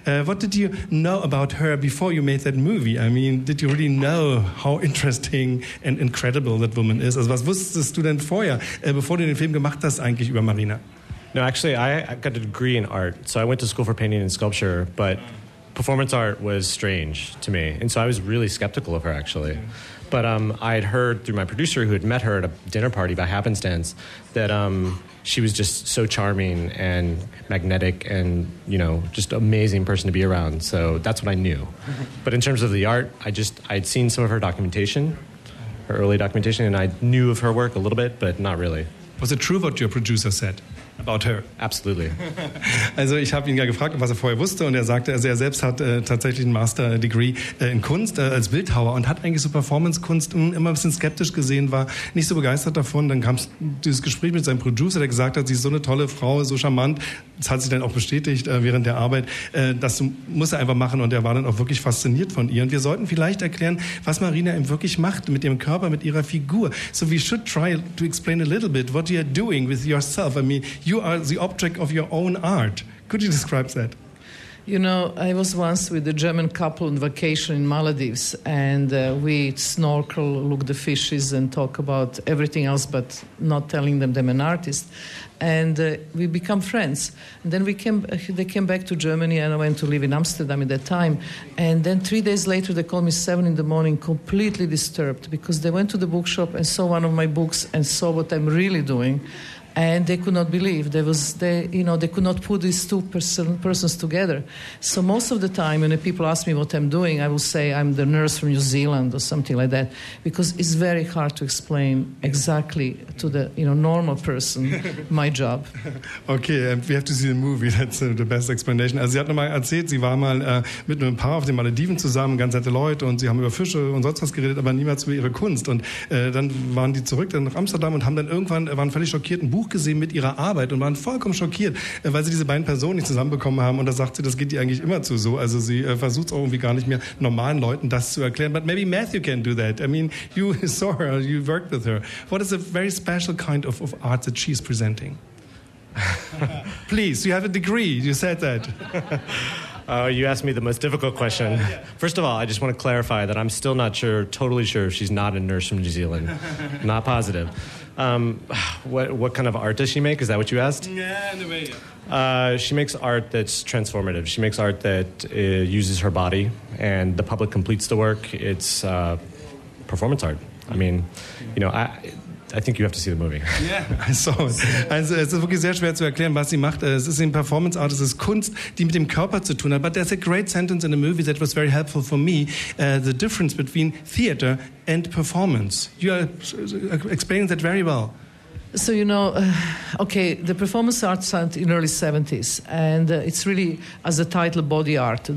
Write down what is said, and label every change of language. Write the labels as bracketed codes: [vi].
[en] What did you know about her before you made that movie? I mean, did you really know how interesting and incredible that woman is? [de] Also was wusstest du denn vorher, bevor du den Film gemacht hast eigentlich über Marina? [en] No, actually, I got a degree in art. So I went to school for painting and sculpture, but performance art was strange to me. And so I was really skeptical of her, actually. But I had heard through my producer who had met her at a dinner party by happenstance that... she was just so charming and magnetic and, you know, just amazing person to be around. So that's what I knew. But in terms of the art, I'd seen some of her documentation, her early documentation, and I knew of her work a little bit, but not really. Was it true what your producer said about her? Absolutely. [de] Also ich habe ihn ja gefragt, was er vorher wusste und er sagte, also er selbst hat tatsächlich einen Master Degree in Kunst als Bildhauer und hat eigentlich so Performance-Kunst immer ein bisschen skeptisch gesehen, war nicht so begeistert davon. Dann kam dieses Gespräch mit seinem Producer, der gesagt hat, sie ist so eine tolle Frau, so charmant. Das hat sich dann auch bestätigt während der Arbeit. Das muss er einfach machen und er war dann auch wirklich fasziniert von ihr. Und wir sollten vielleicht erklären, was Marina eben wirklich macht mit ihrem Körper, mit ihrer Figur. [en] So we should try to explain a little bit what you are doing with yourself. I mean, you are the object of your own art. Could you describe that? You know, I was once with a German couple on vacation in Maldives and we snorkel, look the fishes and talk about everything else but not telling them I'm an artist. And we become friends. And then they came back to Germany and I went to live in Amsterdam at that time. And then 3 days later, they called me 7 in the morning, completely disturbed because they went to the bookshop and saw one of my books and saw what I'm really doing. And they could not believe they could not put these two persons together. So most of the time, when people ask me what I'm doing, I will say I'm the nurse from New Zealand or something like that, because it's very hard to explain exactly to the normal person my job. Okay, we have to see the movie. That's the best explanation. [de] Also sie hat nochmal erzählt, sie war mal mit einem Paar auf den Malediven zusammen, ganz nette Leute, und sie haben über Fische und sonst was geredet, aber niemals über ihre Kunst. Und dann waren die zurück dann nach Amsterdam und haben dann irgendwann waren völlig schockiert. Buch gesehen mit ihrer Arbeit und waren vollkommen schockiert, weil sie diese beiden Personen nicht zusammenbekommen haben. Und da sagt sie, das geht ihr eigentlich immer zu so. Also sie versucht es auch irgendwie gar nicht mehr, normalen Leuten das zu erklären. [en] But maybe Matthew can do that. I mean, you saw her, you worked with her. What is a very special kind of art that she's presenting? Please, you have a degree. You said that. You asked me the most difficult question. First of all, I just want to clarify that I'm still not sure, totally sure, if she's not a nurse from New Zealand. Not positive. What kind of art does she make? Is that what you asked? She makes art that's transformative. She makes art that uses her body, and the public completes the work. It's performance art. I mean, I think you have to see the movie. Yeah, I saw it. [de] Also, es ist wirklich sehr schwer zu erklären, was sie macht. Es ist eben Performance Art, es ist Kunst, die mit dem Körper zu tun hat. [en] But there's a great sentence in the movie that was very helpful for me. The difference between theater and performance. You are explaining that very well. So, the performance art started in early 70s, and it's really, as a title, body art.